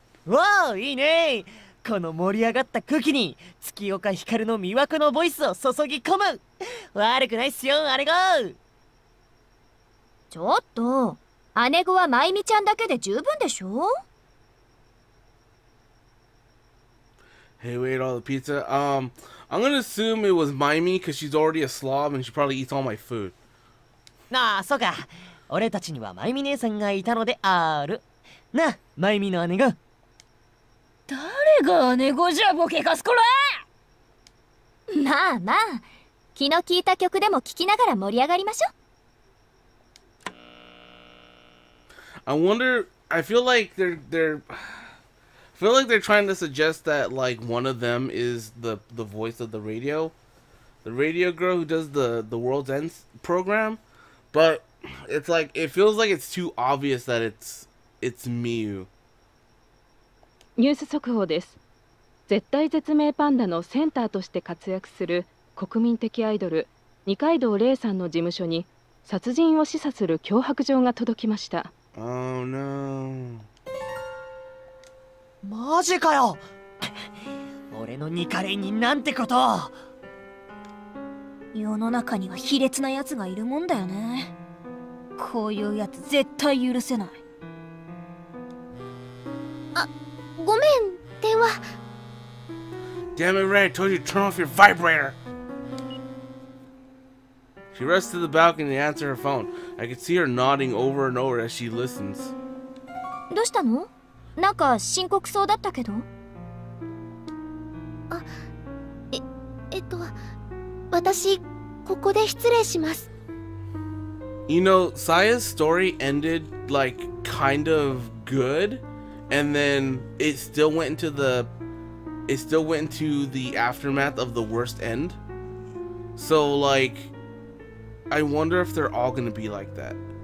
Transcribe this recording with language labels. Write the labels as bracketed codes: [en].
[ja] わあ、いいね。この盛り上がった空気に月岡ひかるの魅惑のボイスを注ぎ込む。悪くないっすよ、あれが。ちょっと。姉子はまゆみちゃんだけで十分でしょ。 [en] Hey, we ate all the pizza. I'm gonna assume it was Mayumi because she's already a slob and she probably eats all my food. [ja] ああ、そうか。俺たちにはまゆみ姉さんがいたのである。な、まゆみの姉が。誰が姉子じゃボケかすこれ。まあまあ、気の利いた曲でも聴きながら盛り上がりましょう。 [en] I wonder, I feel like they're trying to suggest that like one of them is the voice of the radio girl who does the World's End program, but it's like, it feels like it's too obvious that it's Miu. [ja] ニュース速報です。絶対絶命パンダのセンターとして活躍する国民的アイドル二階堂レイさんの事務所に殺人を示唆する脅迫状が届きました。 [en] Oh no. [ja] マジかよ。俺のニカレイになんてこと。世の中には卑劣な奴がいるもんだよね。こういう奴絶対許せない。あ、ごめん、電話。 [en] Damn it, Ray, I told you to turn off your vibrator. She rushed to the balcony to answer her phone. I could see her nodding over and over as she listens. [ja] どうしたの？なんか深刻そうだったけど。あ、私、ここで失礼します。 [en] You know, Saya's story ended, like, kind of good, and then it still went into the... It still went into the aftermath of the worst end. So, like, I wonder if they're all gonna be like that.